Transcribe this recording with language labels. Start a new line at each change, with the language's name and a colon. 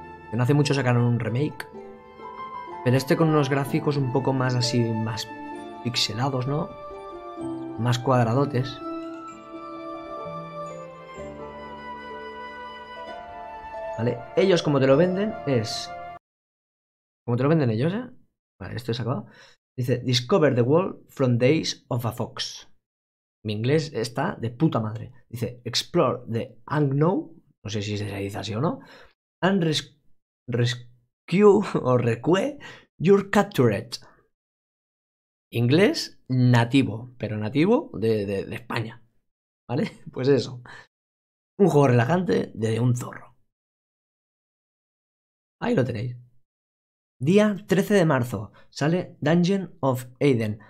Spanish: Que no hace mucho sacaron un remake. Pero este con unos gráficos un poco más así, más pixelados, ¿no? Más cuadradotes. Vale, ellos como te lo venden es... Como te lo venden ellos, ¿eh? Vale, esto es acabado.
English: Dice, discover the world from days of a fox.
Spanish: Mi inglés está de puta madre. Dice,
English: explore the unknown.
Spanish: No sé si se dice así o no.
English: And rescue your captured.
Spanish: Inglés nativo, pero nativo de España. ¿Vale? Pues eso. Un juego relajante de un zorro. Ahí lo tenéis. Día 13 de marzo, sale Dungeon of Aiden.